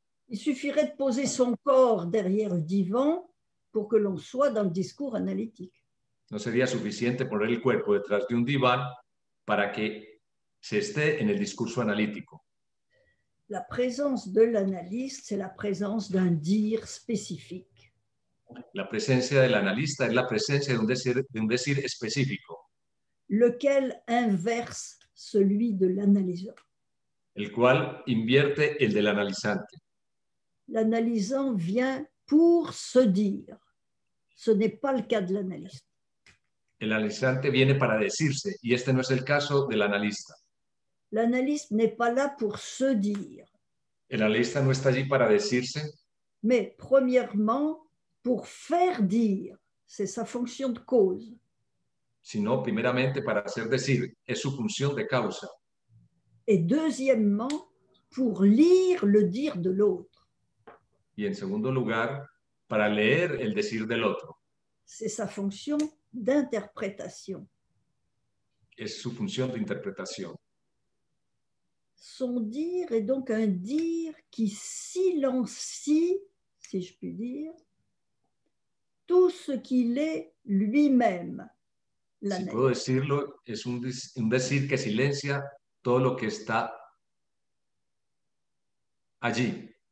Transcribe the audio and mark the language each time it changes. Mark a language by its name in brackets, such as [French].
[French] Il suffirait de poser son corps derrière le divan pour que l'on soit dans le discours analytique. [Spanish] No sería suficiente poner el cuerpo detrás de un diván para que se esté en el discurso analítico. [French] La présence de l'analyste, c'est la présence d'un dire spécifique. [Spanish] La presencia del analista es la presencia de un decir específico. [French] Lequel inverse celui de l'analyseur. [Spanish] El cual invierte el del analizante. [French] L'analysant vient pour se dire. Ce n'est pas le cas de l'analyste. [Spanish] El analizante viene para decirse y este no es el caso del analista. [French] L'analyste n'est pas là pour se dire. [Spanish] El analista no está allí para decirse. [French] Mais premièrement, pour faire dire, c'est sa fonction de cause. [Spanish] Sino primeramente para hacer decir, es su función de causa. [French] Et deuxièmement, pour lire le dire de l'autre. [Spanish] Y en segundo lugar, para leer el decir del otro. [French] C'est sa fonction d'interprétation. [Spanish] Es su función de interpretación. [French] Son dire est donc un dire qui silencie, si je puis dire, tout ce qu'il est lui-même. [Spanish] Si puedo decirlo, es un decir que silencia todo lo que está allí.